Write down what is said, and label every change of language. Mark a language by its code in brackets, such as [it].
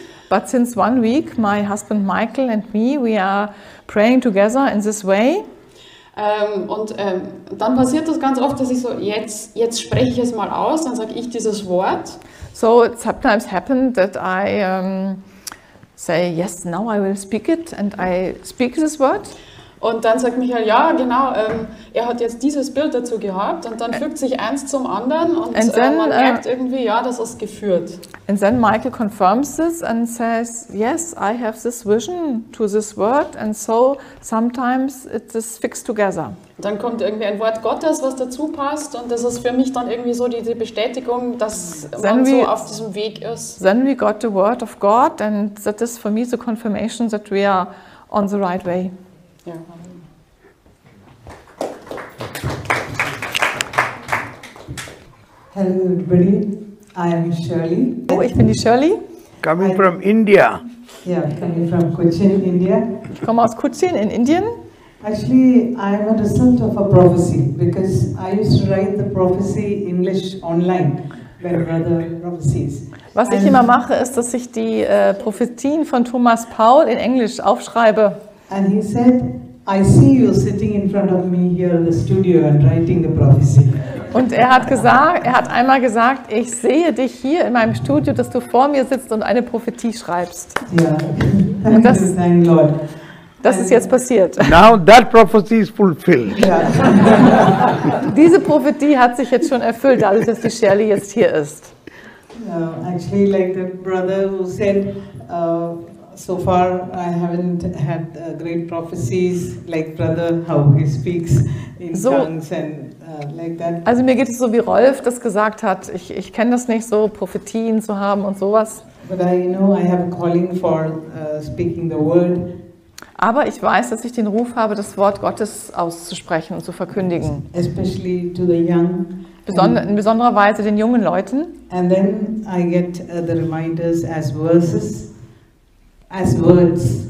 [en] But since 1 week, my husband Michael and me, we are praying together in this way. [de] Dann passiert das ganz oft, dass ich so, jetzt spreche ich es mal aus, dann sage ich dieses Wort. [en] So, it sometimes happened that I say, yes, now I will speak it, and I speak this word. [de] Und dann sagt Michael, ja, genau, er hat jetzt dieses Bild dazu gehabt, und dann fügt sich eins zum anderen, und [en] then, [de] man merkt irgendwie, ja, das ist geführt. [en] And then Michael confirms this and says, yes, I have this vision to this word, and so sometimes it is fixed together. [de] Dann kommt irgendwie ein Wort Gottes, was dazu passt, und das ist für mich dann irgendwie so die Bestätigung, dass [en] then [de] man [en] we, [de] so auf diesem Weg ist. [en] Then we got the word of God, and that is for me the confirmation that we are on the right way. Hello everybody, I am Shirley. [de] Oh, ich bin die Shirley. [en] Coming from India. Yeah, coming from Cochin, India. [de] Ich komme aus Cochin in Indien. [en] Actually, I am a result of a prophecy because I used to write the prophecy English online when brother prophecies. [de] Was ich immer mache, ist, dass ich die Prophetien von Thomas Paul in Englisch aufschreibe. [en] And he said, I see you sitting in front of me here in the studio and writing the prophecy. [de] Und er hat einmal gesagt, ich sehe dich hier in meinem Studio, dass du vor mir sitzt und eine Prophetie schreibst. [en] Yeah. [de] Und das, [en] thank Lord. [de] Das ist jetzt passiert. [en] Now that prophecy is fulfilled. [de] Diese Prophetie hat sich jetzt schon erfüllt, dadurch, dass die Shirley jetzt hier ist. [en] Actually, like the brother who said, so far I haven't had great prophecies like brother, how he speaks in so, tongues and like that. [de] Also mir geht es so, wie Rolf das gesagt hat. Ich kenne das nicht, so Prophetien zu haben und sowas. [en] But I know I have a calling for speaking the word. [de] Aber ich weiß, dass ich den Ruf habe, das Wort Gottes auszusprechen und zu verkündigen. [en] Especially to the young. [de] In besonderer Weise den jungen Leuten. [en] And then I get the reminders as verses, as words.